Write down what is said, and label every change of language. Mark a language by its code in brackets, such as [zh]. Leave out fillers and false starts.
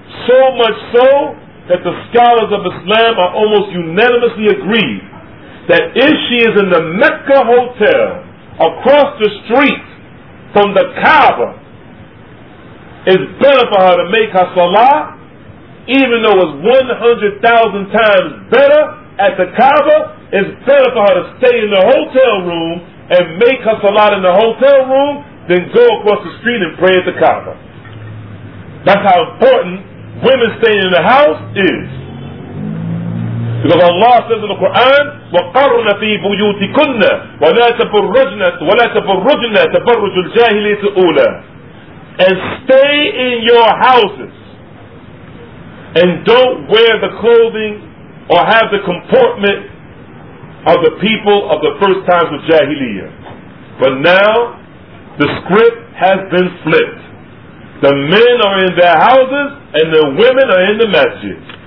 [en] So much so that the scholars of Islam are almost unanimously agreed that if she is in the Mecca hotel, across the street from the Kaaba, it's better for her to make her salah, even though it's 100,000 times better at the Kaaba. It's better for her to stay in the hotel room and make her salah in the hotel room than go across the street and pray at the Kaaba. That's how important women staying in the house is. Because Allah says in the Quran, [ar] وَقَرْنَ فِي بُيُوتِكُنَّ وَلَا تَبُرُّجْنَ تَبَرُّجُ الْجَاهِلِيَةِ أُولَى. [en] And stay in your houses. And don't wear the clothing or have the comportment of the people of the first times of Jahiliyyah. But now, the script has been flipped. The men are in their houses and the women are in the masjid.